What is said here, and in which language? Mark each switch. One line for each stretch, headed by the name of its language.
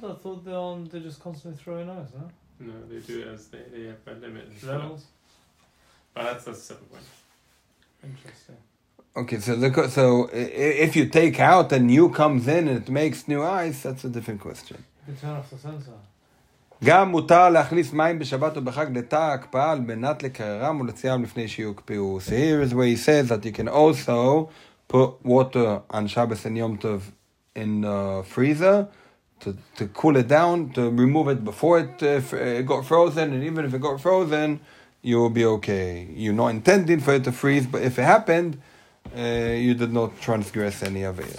English: I thought they're just constantly throwing ice, no? No, they do it as they have a limit. Levels? But that's a separate one. Interesting. Okay, so if you take out and new comes in and it makes new ice, that's a different question. You can turn off the sensor.
Hebrew: גם מותר להכניס מים בשבת או בחג לתא הקפאה על מנת לקררם ולציים לפני שיוקפאו.
English: So here is where he says that you can also put water on Shabbos and Yom Tov in the freezer to cool it down, to remove it before it got frozen. And even if it got frozen, you will be okay. You're not intending for it to freeze, but if it happened, you did not transgress any of it.